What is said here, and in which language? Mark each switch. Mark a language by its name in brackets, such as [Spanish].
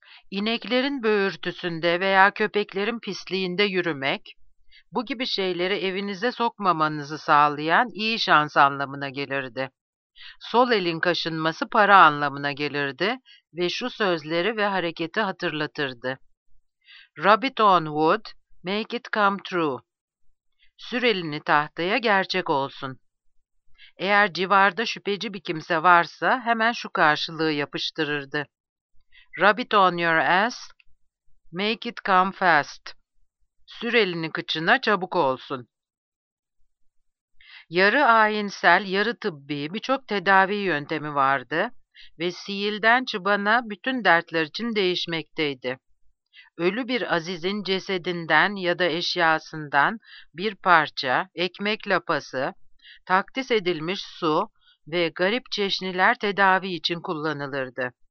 [Turkish] İneklerin böğürtüsünde veya köpeklerin pisliğinde yürümek, bu gibi şeyleri evinize sokmamanızı sağlayan iyi şans anlamına gelirdi. Sol elin kaşınması para anlamına gelirdi ve şu sözleri ve hareketi hatırlatırdı. [English] Rub it on wood, make it come true. [Turkish] Sür elini tahtaya, gerçek olsun. Eğer civarda şüpheci bir kimse varsa hemen şu karşılığı yapıştırırdı. [English] Rub it on your ass, make it come fast. [Turkish] Sür elini kıçına, çabuk olsun. Yarı ayinsel, yarı tıbbi birçok tedavi yöntemi vardı ve siğilden çıbana bütün dertler için değişmekteydi. Ölü bir azizin cesedinden ya da eşyasından bir parça, ekmek lapası, takdis edilmiş su ve garip çeşniler tedavi için kullanılırdı.